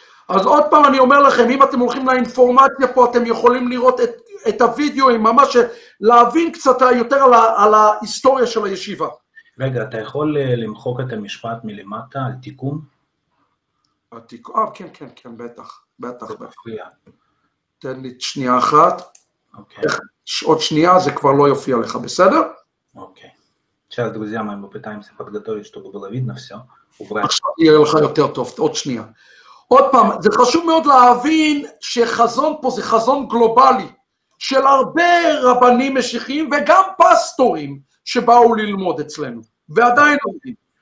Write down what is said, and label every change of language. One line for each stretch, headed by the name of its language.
Hebrew: אז עוד פעם אני אומר לכם, אם אתם הולכים לאינפורמציה פה, אתם יכולים לראות את הוידאו, ממש להבין קצת יותר על ההיסטוריה של הישיבה. רגע, אתה יכול למחוק את המשפט מלמטה על תיקון? כן, כן, כן, בטח, בטח. בפריע. תן לי שנייה אחת. אוקיי. עוד שנייה, זה כבר לא יופיע לך, בסדר? אוקיי.
Russian: сейчас, друзья, мы попытаем подготовить, чтобы было видно все.
Hebrew: עכשיו יהיה לך יותר טוב, עוד שנייה. עוד פעם, זה חשוב מאוד להבין שחזון פה זה חזון גלובלי, של הרבה רבנים משיחיים וגם פסטורים שבאו ללמוד אצלנו, ועדיין עובדים.